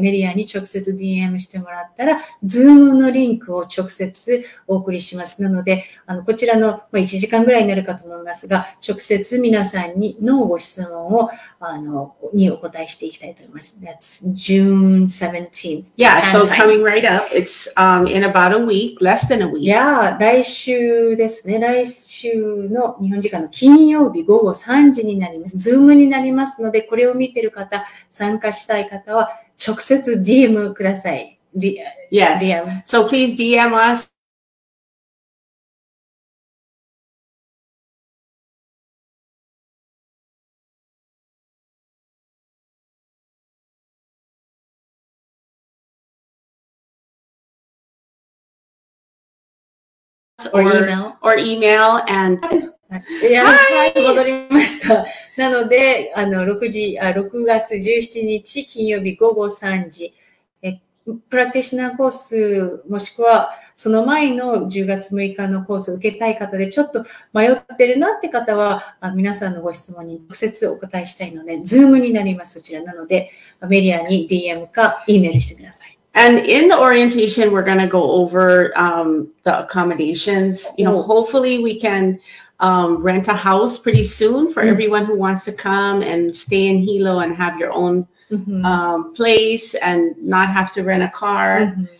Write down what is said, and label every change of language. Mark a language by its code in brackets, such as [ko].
[ja] メリアに直接 DM してもらったら、Zoom のリンクを直接お送りします。なので、こちらの、まあ、1時間ぐらいになるかと思いますが、直接皆さんにのご質問を、にお答えしていきたいと思います。 [en] That's June 17th. Yeah, so coming right up. It's, in about a week, less than a week. [ja] Yeah, 来週ですね。来週の日本時間の金曜日午後3時になります。 Zoom になりますので、これを見てる方、参加したい方は直接 DM ください。 [en] DM。 So please DM us. Or email. And... Yeah, Hi! [ja] 戻りました。なので、6月17日金曜日午後3時、プラクティショナーコースもしくはその前の10月6日のコースを受けたい方でちょっと迷ってるなって方は、皆さんのご質問に直接お答えしたいので、Zoom になります、そちら。なので、メリアに DM か E メールしてください。 [en] And in the orientation, we're going to go over, the accommodations. You know, hopefully we can, rent a house pretty soon for everyone who wants to come and stay in Hilo and have your own, place and not have to rent a car.